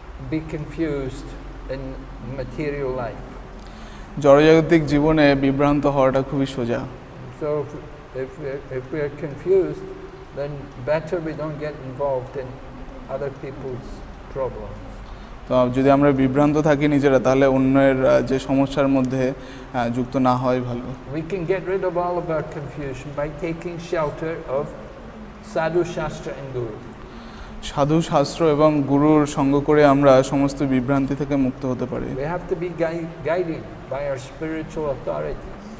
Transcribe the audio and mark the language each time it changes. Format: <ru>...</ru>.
<en>Be confused in material life.</en> <bn>জড়জাগতিক জীবনে বিভ্রান্ত হওয়াটা খুবই সোজা।</bn> <en>So if we are confused, then better we don't get involved in other people's problems.</en> <bn>তো যদি আমরা বিভ্রান্ত থাকি নিজেরা, তাহলে অন্যের যে সমস্যার মধ্যে যুক্ত না হয় ভালো।</bn> <en>We can get rid of all of our confusion by taking shelter of sadhu shastra and guru.</en> <bn>সাধু শাস্ত্র এবং গুরুর সঙ্গ করে আমরা সমস্ত বিভ্রান্তি থেকে মুক্ত হতে পারি।</bn> <en>We have to be guided by our spiritual authorities.</en>